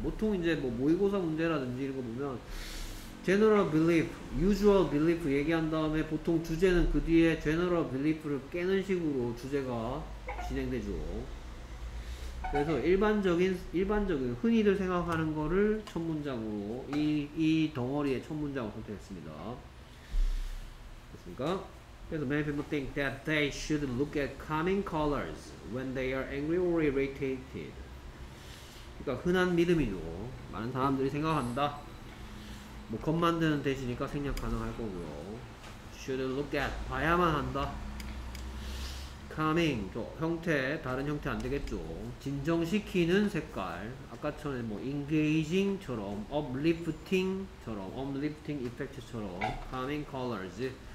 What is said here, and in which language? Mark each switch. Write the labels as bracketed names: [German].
[Korean] 보통 이제 뭐 모의고사 문제라든지 이런 거 보면 General belief, usual belief 얘기한 다음에 보통 주제는 그 뒤에 General belief를 깨는 식으로 주제가 진행되죠. 그래서 일반적인 흔히들 생각하는 거를 첫 문장으로 이 덩어리의 첫 문장으로 선택했습니다. 됐습니까? 그래서 [English] many people think that they should look at calming colors when they are angry or irritated. [Korean] 그러니까 흔한 믿음이죠. 많은 사람들이 생각한다. 뭐 겉 만드는 대시니까 생략 가능할 거고요. [English] Should look at [Korean] 봐야만 한다. Calming 저 형태 다른 형태 안 되겠죠. 진정시키는 색깔. 아까 전에 뭐 engaging처럼 [English] uplifting effect [Korean] 처럼 [English] calming colors.